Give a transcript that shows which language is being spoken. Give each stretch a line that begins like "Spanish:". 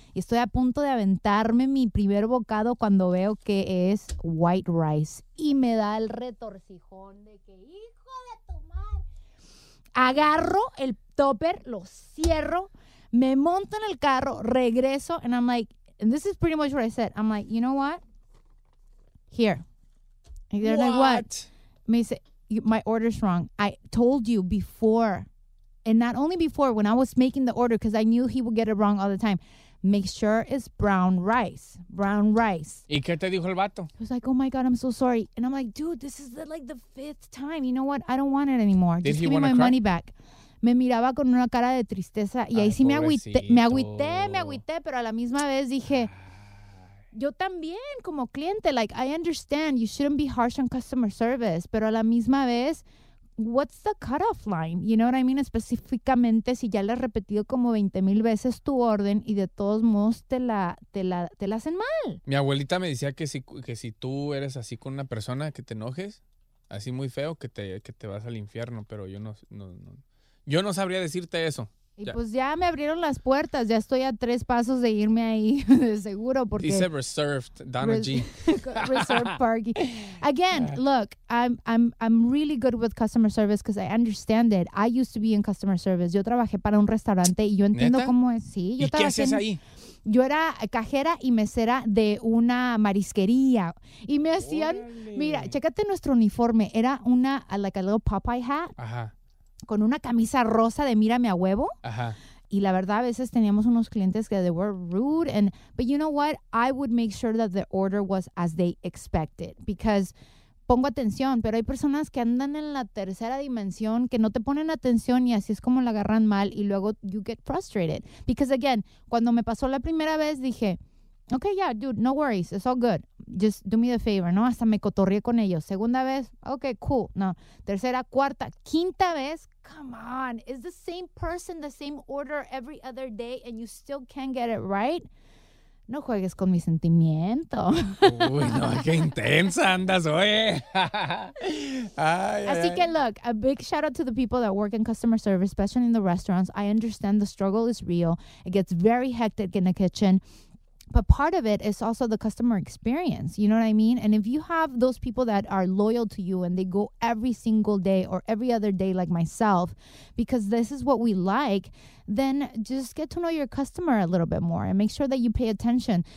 Spanish: Y estoy a punto de aventarme mi primer bocado cuando veo que es white rice. Y me da el retorcijón de que, ¡hijo de tu madre! Agarro el topper, lo cierro, me monto en el carro, regreso.
English: And I'm like, and this is pretty much what I said. I'm like, you know what? Here. And they're like, what?
Spanish: Me dice,
English: my order's wrong. I told you before, and not only before, when I was making the order, because I knew he would get it wrong all the time. Make sure it's brown rice. Brown rice.
Spanish: ¿Y qué te dijo el vato?
English: He was like, oh my God, I'm so sorry. And I'm like, dude, this is like the 5th time. You know what? I don't want it anymore. Did just give me my money back.
Spanish: Me miraba con una cara de tristeza. Y ahí sí me agüité, pero a la misma vez dije, yo también, como cliente,
English: like, I understand you shouldn't be harsh on customer service,
Spanish: pero a la misma vez,
English: what's the cutoff line? You know what I mean?
Spanish: Específicamente, si ya le has repetido como 20,000 veces tu orden y de todos modos te la hacen mal. Mi abuelita me decía que si tú eres así con una persona, que te enojes, así muy feo, que te vas al infierno, pero yo no sabría decirte eso. Y ya. Pues ya me abrieron las puertas, ya estoy a 3 pasos de irme ahí, de seguro, porque dice
English: reserved, Donna G. reserved parking. Again, look, I'm really good with customer service because I understand it. I used to be in customer service.
Spanish: Yo trabajé para un restaurante y yo entiendo. ¿Neta? Cómo es. Sí, yo ¿y qué hacías ahí? Yo era cajera y mesera de una marisquería. Y me hacían, mira, chécate nuestro uniforme. Era una,
English: like a little Popeye hat.
Spanish: Ajá. Con una camisa rosa de mírame a huevo. Ajá. Y la verdad, a veces teníamos unos clientes que
English: they were rude. But you know what? I would make sure that the order was as they expected. Because
Spanish: pongo atención, pero hay personas que andan en la tercera dimensión, que no te ponen atención y así es como la agarran mal. Y luego
English: you get frustrated. Because again,
Spanish: cuando me pasó la primera vez, dije,
English: okay, yeah, dude, no worries, it's all good. Just do me the favor,
Spanish: ¿no? Hasta me cotorrié con ellos. Segunda vez,
English: okay, cool.
Spanish: No, tercera, cuarta, quinta vez,
English: come on. It's the same person, the same order every other day, and you still can't get it right?
Spanish: No juegues con mi sentimiento. Uy, no, qué intensa andas, oye.
English: Ay, así que, look, a big shout out to the people that work in customer service, especially in the restaurants. I understand the struggle is real. It gets very hectic in the kitchen. But part of it is also the customer experience. You know what I mean? And if you have those people that are loyal to you and they go every single day or every other day like myself, because this is what we like, then just get to know your customer a little bit more and make sure that you pay attention.